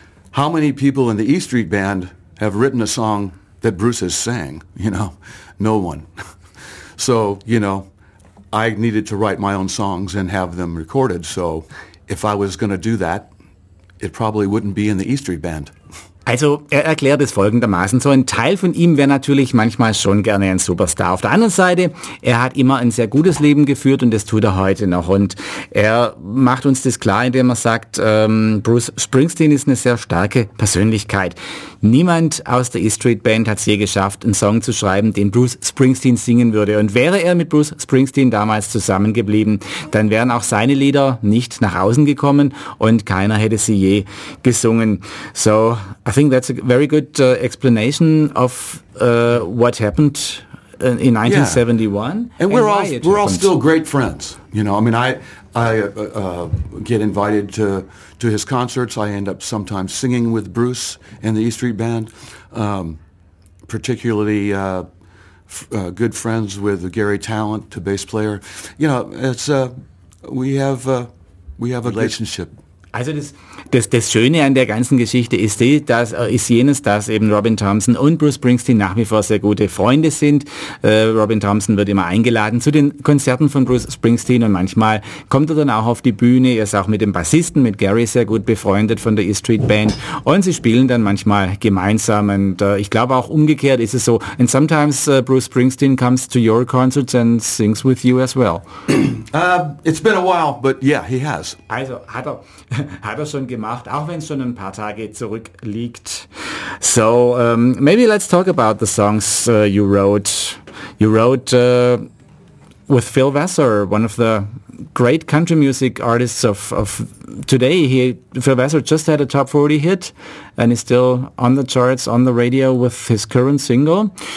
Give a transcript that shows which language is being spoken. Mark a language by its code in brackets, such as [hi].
[en] How many people in the E Street Band have written a song that Bruce has sang? You know, no one. So, you know, I needed to write my own songs and have them recorded. So if I was going to do that, it probably wouldn't be in the E Street Band. [de] Also, er erklärt es folgendermaßen. So ein Teil von ihm wäre natürlich manchmal schon gerne ein Superstar. Auf der anderen Seite, er hat immer ein sehr gutes Leben geführt und das tut er heute noch. Und er macht uns das klar, indem er sagt, Bruce Springsteen ist eine sehr starke Persönlichkeit. Niemand aus der E Street Band hat es je geschafft, einen Song zu schreiben, den Bruce Springsteen singen würde. Und wäre er mit Bruce Springsteen damals zusammengeblieben, dann wären auch seine Lieder nicht nach außen gekommen und keiner hätte sie je gesungen. [en] So, I think that's a very good explanation of what happened in 1971. Yeah. And we're all still great friends. You know, I mean, I get invited to his concerts. I end up sometimes singing with Bruce and the E Street Band, particularly good friends with Gary Talent, the bass player. You know, it's we have a relationship. [de] Also das Schöne an der ganzen Geschichte ist jenes, dass eben Robin Thompson und Bruce Springsteen nach wie vor sehr gute Freunde sind. Robin Thompson wird immer eingeladen zu den Konzerten von Bruce Springsteen und manchmal kommt er dann auch auf die Bühne. Er ist auch mit dem Bassisten, mit Gary, sehr gut befreundet von der E Street Band und sie spielen dann manchmal gemeinsam. Und ich glaube auch umgekehrt ist es so. [en] And sometimes Bruce Springsteen comes to your concerts and sings with you as well. It's been a while, but yeah, he has. [de] Also hat er schon gemacht, auch wenn es schon ein paar Tage zurückliegt. [en] So, maybe let's talk about the songs you wrote. You wrote with Phil Vassar, one of the great country music artists of today. Phil Vassar just had a top 40 hit and is still on the charts, on the radio with his current single.